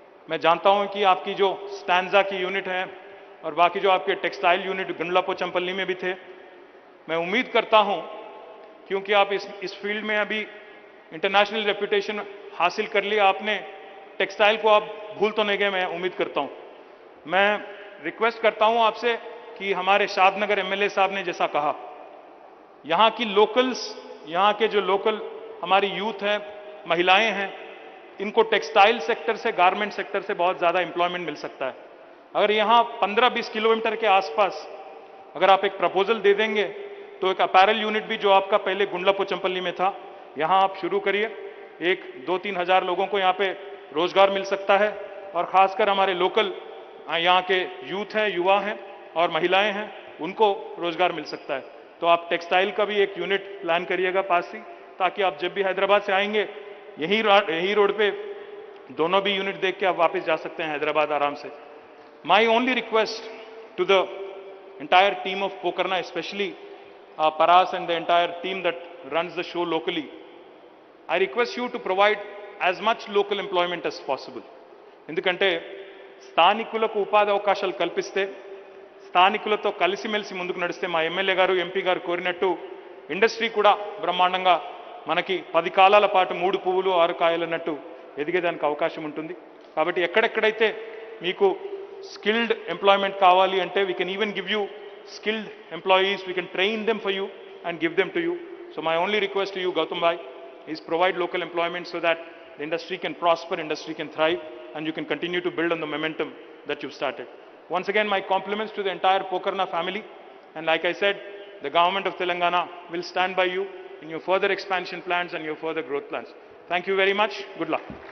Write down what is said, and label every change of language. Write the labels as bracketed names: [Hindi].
[English] Main janta hu ki aapki jo Stanza ki unit hai aur baki jo aapke textile unit Gundlapo Champalli mein bhi the, main ummeed karta hu kyunki aap is field mein abhi [Hindi] international reputation हासिल कर लिया आपने, textile को आप भूल तो नहीं गए मैं उम्मीद करता हूं. मैं रिक्वेस्ट करता हूं आपसे कि हमारे शादनगर एमएलए साहब ने जैसा कहा, यहां की लोकल्स, यहां के जो लोकल हमारी यूथ हैं, महिलाएं हैं, इनको टेक्सटाइल सेक्टर से, गारमेंट सेक्टर से बहुत ज्यादा एम्प्लॉयमेंट मिल सकता है. अगर यहां 15-20 किलोमीटर के आसपास अगर आप एक प्रपोजल दे देंगे, तो एक अपैरल यूनिट भी जो आपका पहले गुंडलापो चंपल्ली में था, यहां आप शुरू करिए, 1-2-3 हजार लोगों को यहां पे रोजगार मिल सकता है. और खासकर हमारे लोकल यहां के यूथ हैं, युवा हैं और महिलाएं हैं, उनको रोजगार मिल सकता है। तो आप टेक्सटाइल का भी एक यूनिट प्लान करिएगा पास ही, ताकि आप जब भी हैदराबाद से आएंगे यही रोड पे दोनों भी यूनिट देख के आप वापस जा सकते हैं हैदराबाद आराम से। [English] My only request to the entire team of Pokarna, especially Paras and the entire team that runs the show locally, I request you to provide as much local employment as possible. [Telugu] ఎందుకంటే స్థానికులకు ఉపాధి అవకాశాలు కల్పిస్తే, స్థానికులతో కలిసిమెలిసి ముందుకు నడిస్తే, మా ఎమ్మెల్యే గారు ఎంపీ గారు కోరినట్టు ఇండస్ట్రీ కూడా బ్రహ్మాండంగా మనకి 10 కాలాల పాటు 3 పువ్వులు 6 కాయలు అన్నట్టు ఎదిగేదానికి అవకాశం ఉంటుంది। కాబట్టి ఎక్కడెక్కడైతే మీకు స్కిల్డ్ ఎంప్లాయ్మెంట్ కావాలి అంటే, [English] We can even give you skilled employees, we can train them for you and give them to you. So my only request to you Gautam bhai is provide local employment so that the industry can prosper, industry can thrive and you can continue to build on the momentum that you've started. Once again, my compliments to the entire Pokarna family, and like I said, the government of Telangana will stand by you in your further expansion plans and your further growth plans. Thank you very much. Good luck.